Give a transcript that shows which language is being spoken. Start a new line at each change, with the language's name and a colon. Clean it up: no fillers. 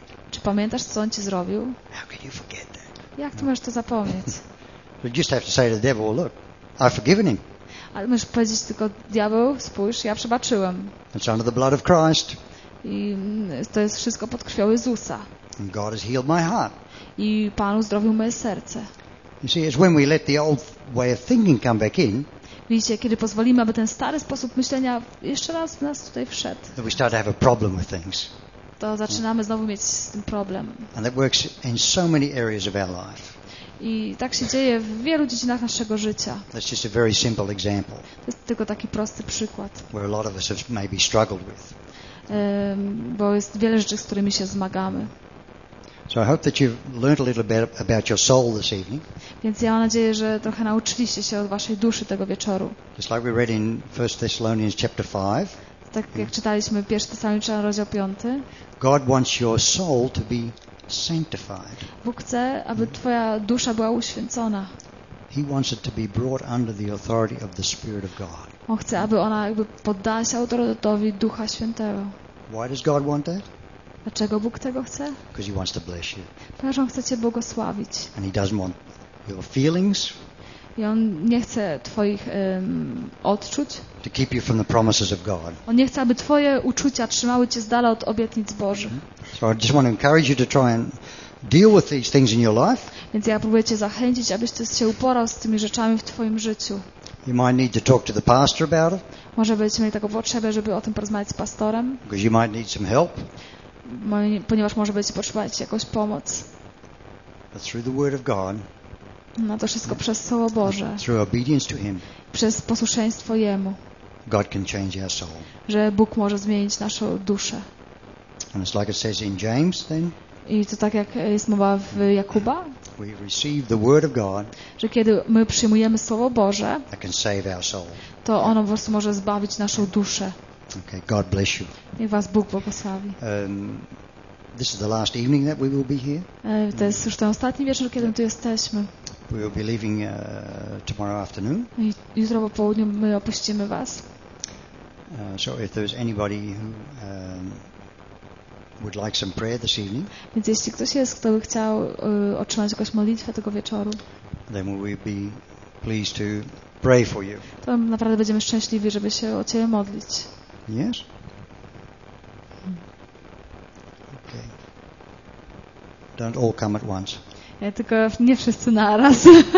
Polish: Czy pamiętasz, co on ci zrobił?
English: How can you forget that?
Polish: Jak ty możesz to zapomnieć?
English: You just have to say to the devil, look, I've forgiven him.
Polish: Ale możesz powiedzieć tylko, diabeł, spójrz, ja przebaczyłem.
English: It's under the blood of Christ.
Polish: I to jest wszystko pod krwią Jezusa.
English: And God has healed my heart.
Polish: I Pan uzdrowił moje serce.
English: You see, it's when we let the old way of thinking come back in.
Polish: Widzicie, kiedy pozwolimy, aby ten stary sposób myślenia jeszcze raz w nas tutaj wszedł.
English: That we start to have a problem with things.
Polish: To zaczynamy znowu mieć z tym problem.
English: And that works in so many areas of our life.
Polish: I tak się dzieje w wielu dziedzinach naszego życia.
English: That's just a very simple example.
Polish: To jest tylko taki prosty przykład.
English: Where a lot of us have maybe struggled with.
Polish: Bo jest wiele rzeczy, z którymi się zmagamy.
English: So I hope that you've learned a little bit about your soul this evening.
Polish: Więc ja mam nadzieję, że trochę nauczyliście się od waszej duszy tego wieczoru.
English: Just like we read in 1 Thessalonians chapter 5.
Polish: Tak jak czytaliśmy 1 Thessalonicza rozdział 5.
English: God wants your soul to be sanctified.
Polish: Bóg chce, aby twoja dusza była uświęcona.
English: He wants it to be brought under the authority of the Spirit of God.
Polish: On chce, aby ona jakby poddała się autorytetowi Ducha Świętego.
English: Why does God want that?
Polish: Dlaczego Bóg tego chce?
English: Because he wants to bless you.
Polish: Ponieważ on chce cię błogosławić.
English: And he doesn't want your feelings.
Polish: I on nie chce twoich odczuć.
English: To keep you from the promises of God.
Polish: On nie chce, aby twoje uczucia trzymały cię z dala od obietnic Bożych.
English: So I just want to encourage you to try and deal with these things in your life.
Polish: Więc ja próbuję cię zachęcić, abyś ty się uporał z tymi rzeczami w twoim życiu.
English: You might need to talk to the pastor about it.
Polish: Może będziecie mieli taką potrzebę, żeby o tym porozmawiać z pastorem.
English: Because you might need some help.
Polish: Ponieważ może będziecie potrzebować jakąś pomoc.
English: But through the word of God.
Polish: No to wszystko przez Słowo Boże.
English: Through obedience to him.
Polish: Przez posłuszeństwo Jemu.
English: God can change our soul.
Polish: Że Bóg może zmienić naszą duszę.
English: And it's like it says in James then.
Polish: I to tak, jak jest mowa w Jakuba,
English: we receive the word of God,
Polish: że kiedy my przyjmujemy Słowo Boże,
English: that can save our soul.
Polish: To ono po prostu może zbawić naszą duszę.
English: Okay, God bless you.
Polish: Niech was Bóg błogosławi.
English: This is the last evening that we will be here.
Polish: To jest już ten ostatni wieczór, kiedy my tu jesteśmy.
English: We will be leaving, tomorrow afternoon.
Polish: I jutro po południu my opuścimy was.
English: So if there's anybody who... would like some prayer this evening.
Polish: Więc jeśli ktoś jest, kto by chciał otrzymać jakąś modlitwę tego wieczoru,
English: then we'll be pleased to pray for you.
Polish: To naprawdę będziemy szczęśliwi, żeby się o ciebie modlić.
English: Yes? Okay. Don't all come at once.
Polish: Ja tylko nie wszyscy na raz.